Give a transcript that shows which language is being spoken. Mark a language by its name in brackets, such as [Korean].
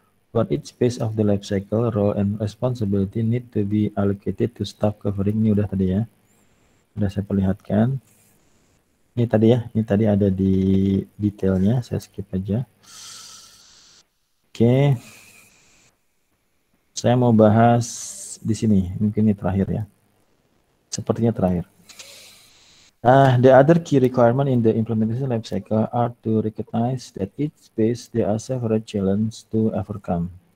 [English] What each phase of the life cycle, role and responsibility need to be allocated to staff covering. [Indonesian] Ini udah tadi ya. Sudah saya perlihatkan. Ini tadi ya, ini tadi ada di detailnya, saya skip aja. Oke. Saya mau bahas di sini, mungkin ini terakhir ya. Sepertinya terakhir. [English] The other key requirement in the implementation life cycle are to recognize that each phase there are several challenges to overcome.